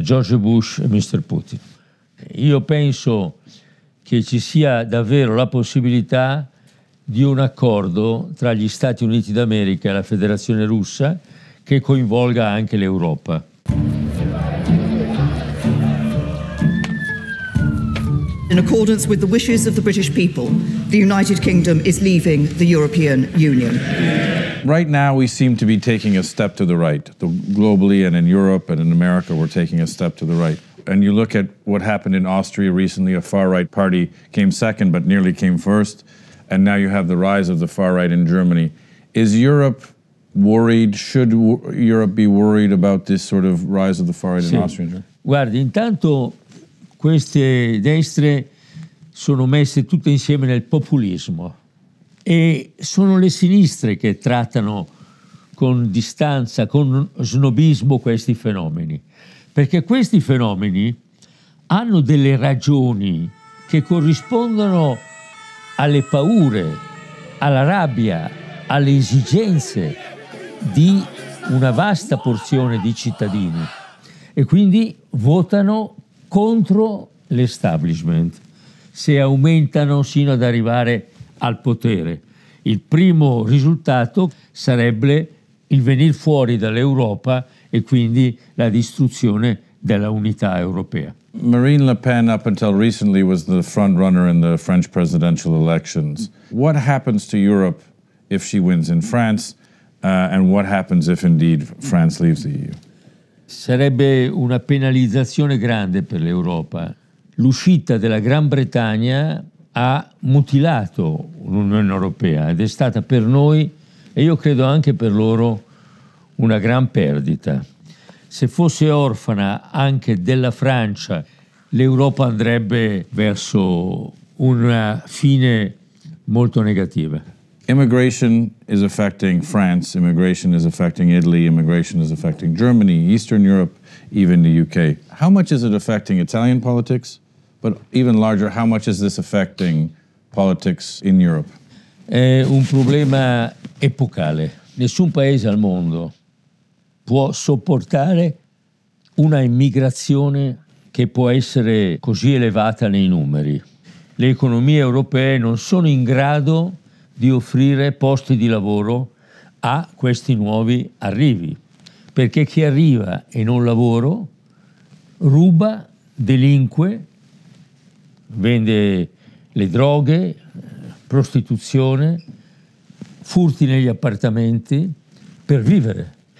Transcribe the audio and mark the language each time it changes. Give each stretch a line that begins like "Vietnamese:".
Italian: George Bush e Mr. Putin. Io penso che ci sia davvero la possibilità di un accordo tra gli Stati Uniti d'America e la Federazione Russa che coinvolga anche l'Europa.
English: In accordance with the wishes of the British people, the United Kingdom is leaving the European Union. Right now we seem to be taking a step to the right. Globally and in Europe and in America we're taking a step to the right. And you look at what happened in Austria recently, a far-right party came second but nearly came first. And now you have the rise of the far-right in Germany. Is Europe worried, should Europe be worried about this sort of rise of the far-right in Austria?
Italian: Guardi, intanto queste destre sono messe tutte insieme nel populismo e sono le sinistre che trattano con distanza, con snobismo questi fenomeni, perché questi fenomeni hanno delle ragioni che corrispondono alle paure, alla rabbia, alle esigenze di una vasta porzione di cittadini e quindi votano contro l'establishment, se aumentano sino ad arrivare al potere. Il primo risultato sarebbe il venir fuori dall'Europa e quindi la distruzione della unità europea.
English: Marine Le Pen, up until recently, was the front runner in the French presidential elections. What happens to Europe if she wins in France? And what happens if indeed France leaves the EU?
Italian: Sarebbe una penalizzazione grande per l'Europa. L'uscita della Gran Bretagna ha mutilato l'Unione Europea ed è stata per noi, e io credo anche per loro, una gran perdita. Se fosse orfana anche della Francia, l'Europa andrebbe verso una fine molto negativa.
English: Immigration is affecting France, immigration is affecting Italy, immigration is affecting Germany, Eastern Europe, even the UK. How much is it affecting Italian politics? But even larger, how much is this affecting politics in Europe?
Italian: È un problema epocale. Nessun paese al mondo può sopportare una immigrazione che può essere così elevata nei numeri. Le economie europee non sono in grado di offrire posti di lavoro a questi nuovi arrivi, perché chi arriva e non lavora ruba, delinque, vende le droghe, prostituzione, furti negli appartamenti per vivere.